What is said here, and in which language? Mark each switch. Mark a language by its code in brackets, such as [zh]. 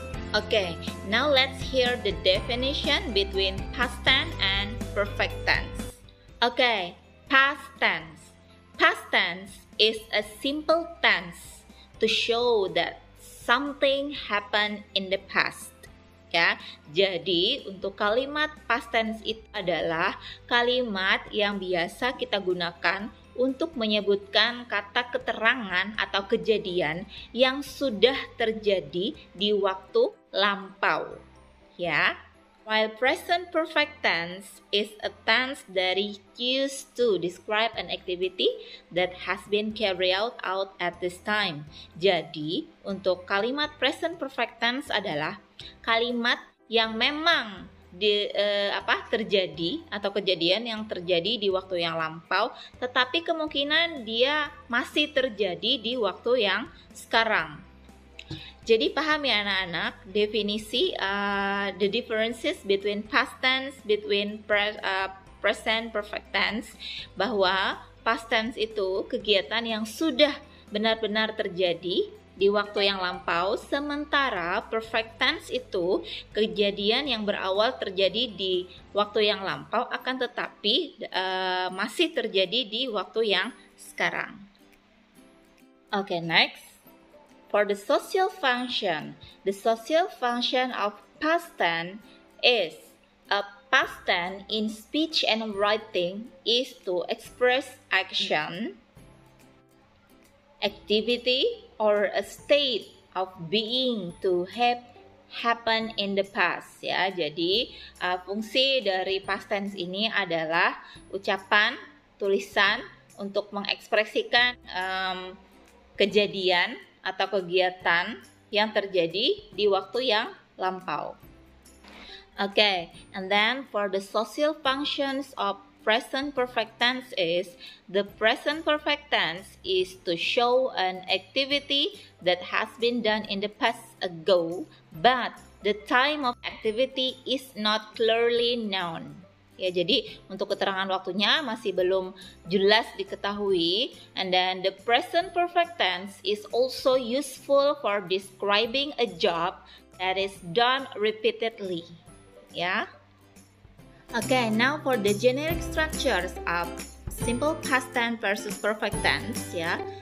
[en] Okay, now let's hear the definition between past tense and perfect tense. Okay. Past tense. Past tense is a simple tense to show that something happened in the past. [id] Ya, jadi untuk kalimat past tense itu adalah kalimat yang biasa kita gunakan untuk menyebutkan kata keterangan atau kejadian yang sudah terjadi di waktu lampau. Ya. [en] While present perfect tense is a tense that is used to describe an activity that has been carried out at this time. [id] Jadi, untuk kalimat present perfect tense adalah kalimat yang memang terjadi atau kejadian yang terjadi di waktu yang lampau, tetapi kemungkinan dia masih terjadi di waktu yang sekarang. Jadi paham ya anak-anak definisi [en] the differences between past tense between present perfect tense, [id] bahwa past tense itu kegiatan yang sudah benar-benar terjadi di waktu yang lampau, sementara perfect tense itu kejadian yang berawal terjadi di waktu yang lampau akan tetapi masih terjadi di waktu yang sekarang. [en] Okay, next. For the social function, the social function of past tense is a past tense in speech and writing is to express action, activity, or a state of being to have happened in the past. [id] Ya, jadi fungsi dari past tense ini adalah ucapan, tulisan untuk mengekspresikan kejadian atau kegiatan yang terjadi di waktu yang lampau. [en] Okay, and then for the social functions of present perfect tense is the present perfect tense is to show an activity that has been done in the past ago, but the time of activity is not clearly known. [id] Ya, jadi untuk keterangan waktunya masih belum jelas diketahui. [en] And then the present perfect tense is also useful for describing a job that is done repeatedly. Ya. Okay, now for the generic structures of simple past tense versus perfect tense, ya.